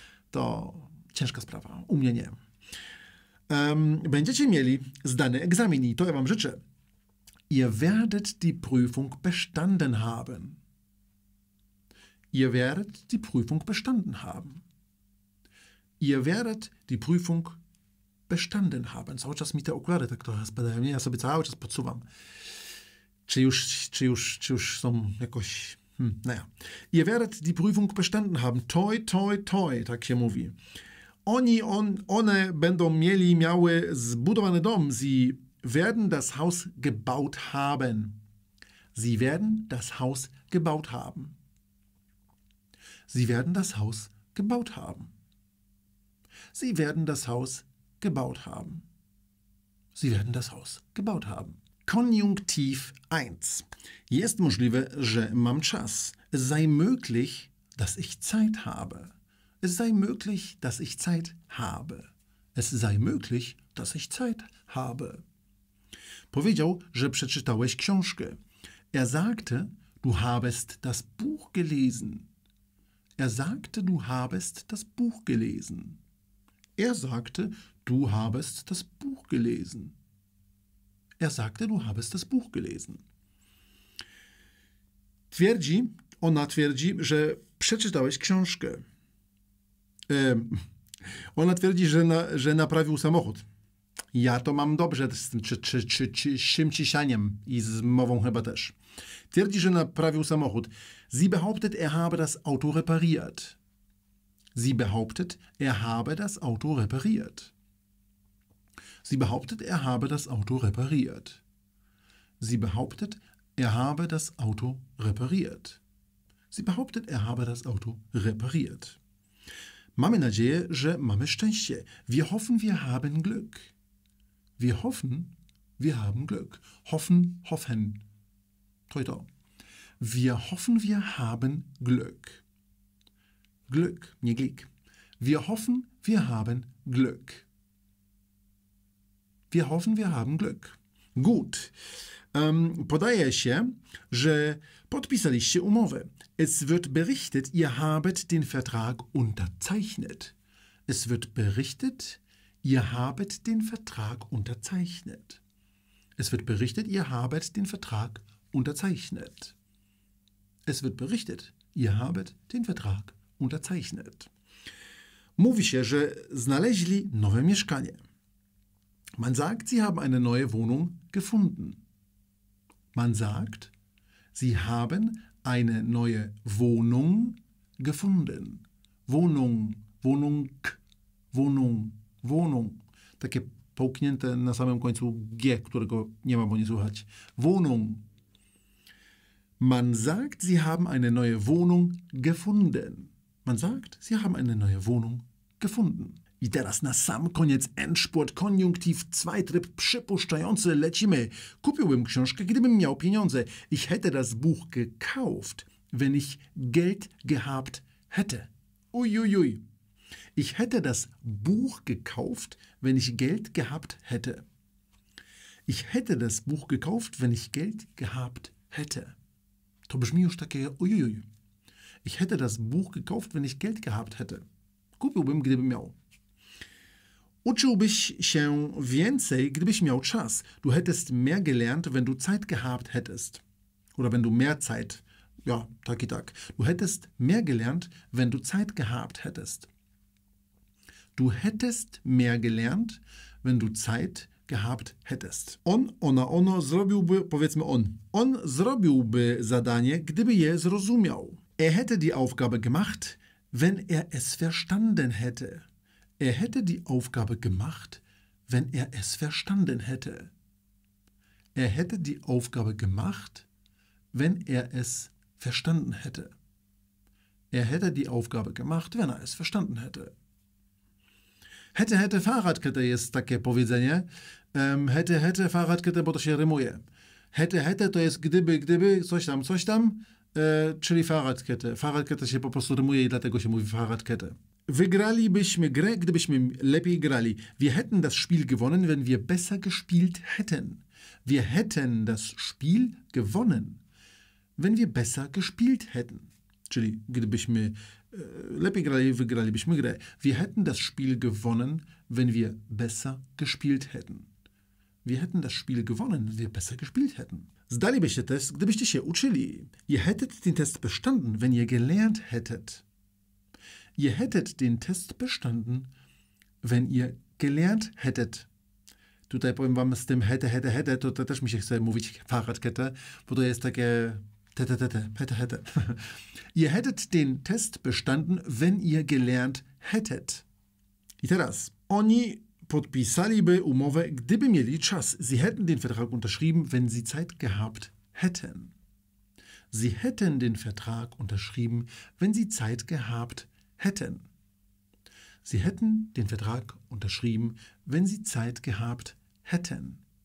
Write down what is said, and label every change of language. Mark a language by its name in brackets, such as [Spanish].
[Polish] to ciężka sprawa. U mnie nie. Będziecie mieli zdany egzamin i to ja wam życzę. [German] Ihr werdet die Prüfung bestanden haben. Ihr werdet die Prüfung bestanden haben. Ihr werdet die Prüfung bestanden haben. [Polish] Cały czas mi te okulary tak trochę spadają. Nie, ja sobie cały czas podsuwam. Czy już są jakoś... naja. [German] Ihr werdet die Prüfung bestanden haben. Toi, toi, toi, [Polish] tak się mówi. One będą miały zbudowany dom. [German] Sie werden das Haus gebaut haben. Sie werden das Haus gebaut haben. Sie werden das Haus gebaut haben. Sie werden das Haus gebaut haben. Sie werden das Haus gebaut haben. Konjunktiv 1. [Polish] Jest możliwe, że mam czas. [German] Es sei möglich, dass ich Zeit habe. Es sei möglich, dass ich Zeit habe. Es sei möglich, dass ich Zeit habe. [Polish] Powiedział, że przeczytałeś książkę. [German] Er sagte, du habest das Buch gelesen. Er sagte, du habest das Buch gelesen. Er sagte, du habest das Buch gelesen. Er sagte, du habest das Buch gelesen. [Polish] Twierdzi, ona twierdzi, że przeczytałeś książkę. Ona twierdzi, że naprawił samochód. Ja to mam dobrze z tym szymciszaniem i z mową chyba też. Twierdzi, że naprawił samochód. [German] Sie behauptet, er habe das Auto repariert. Sie behauptet, er habe das Auto repariert. Sie behauptet, er habe das Auto repariert. Sie behauptet, er habe das Auto repariert. Sie behauptet, er habe das Auto repariert. [Polish] Mamy nadzieję, że mamy szczęście. [German] Wir hoffen, wir haben Glück. Wir hoffen, wir haben Glück. Hoffen, hoffen. Toi, toi. Wir hoffen, wir haben Glück. Glück, nie Glück. Wir hoffen, wir haben Glück. Wir hoffen, wir haben Glück. Gut. [Polish] Podaje się, że podpisaliście umowę. [German] Es wird berichtet, ihr habt den Vertrag unterzeichnet. Es wird berichtet, ihr habt den Vertrag unterzeichnet. Es wird berichtet, ihr habt den Vertrag unterzeichnet. Es wird berichtet, ihr habt den Vertrag unterzeichnet. [Polish] Mówi się, że znaleźli nowe mieszkanie. [German] Man sagt, sie haben eine neue Wohnung gefunden. Man sagt, sie haben eine neue Wohnung gefunden. Wohnung, Wohnung, Wohnung, Wohnung. [Polish] Takie połknięte na samym końcu G, którego nie ma, bo nie słychać. [German] Wohnung. Man sagt, sie haben eine neue Wohnung gefunden. Man sagt, sie haben eine neue Wohnung gefunden. [Polish] I teraz na sam koniec Endspurt, Konjunktiv 2, tryb przypuszczający, lecimy. Kupiłbym książkę, gdybym miał pieniądze. [German] Ich hätte das Buch gekauft, wenn ich Geld gehabt hätte. Uiuiui. Ui, ui. Ich hätte das Buch gekauft, wenn ich Geld gehabt hätte. Ich hätte das Buch gekauft, wenn ich Geld gehabt hätte. [Polish] To brzmi już takie uiuiui. Ui. [German] Ich hätte das Buch gekauft, wenn ich Geld gehabt hätte. [Polish] Kupiłbym, gdybym miał. Uczyłbyś się więcej, gdybyś miał czas. [German] Du hättest mehr gelernt, wenn du Zeit gehabt hättest. Oder wenn du mehr Zeit. Ja, [Polish] tak i tak. [German] Du hättest mehr gelernt, wenn du Zeit gehabt hättest. Du hättest mehr gelernt, wenn du Zeit gehabt hättest. [Polish] On, ona, ono zrobiłby, powiedzmy on. On zrobiłby zadanie, gdyby je zrozumiał. [German] Er hätte die Aufgabe gemacht, wenn er es verstanden hätte. Er hätte die Aufgabe gemacht, wenn er es verstanden hätte. Er hätte die Aufgabe gemacht, wenn er es verstanden hätte. Er hätte die Aufgabe gemacht, wenn er es verstanden hätte. Hätte, hätte, Fahrradkette, [Polish] jest takie powiedzenie. Hätte, hätte, Fahrradkette, bo to się rymuje. [German] Hätte, hätte, [Polish] to jest gdyby, gdyby, coś tam, czyli Fahrradkette. Fahrradkette się po prostu rymuje i dlatego się mówi Fahrradkette. Wygralibyśmy grę, gdybyśmy lepiej grali. [German] Wir hätten das Spiel gewonnen, wenn wir besser gespielt hätten. Wir hätten das Spiel gewonnen, wenn wir besser gespielt hätten. [Polish] Czyli gdybyśmy lepiej grali, wygralibyśmy grę. [German] Wir hätten das Spiel gewonnen, wenn wir besser gespielt hätten. Wir hätten das Spiel gewonnen, wenn wir besser gespielt hätten. [Polish] Zdalibyście test, gdybyście się uczyli. [German] Ihr hättet den Test bestanden, wenn ihr gelernt hättet. Ihr hättet den Test bestanden, wenn ihr gelernt hättet. [Polish] Tutaj powiem wam z tym hätte, to też mi się chce mówić Fahrradkette, bo to jest takie hätte. [German] Ihr hättet den Test bestanden, wenn ihr gelernt hättet. [Polish] I teraz, oni podpisaliby umowę, gdyby mieli czas. [German] Sie hätten den Vertrag unterschrieben, wenn sie Zeit gehabt hätten. Sie hätten den Vertrag unterschrieben, wenn sie Zeit gehabt hätten. Sie hätten den Vertrag unterschrieben, wenn sie Zeit gehabt hätten.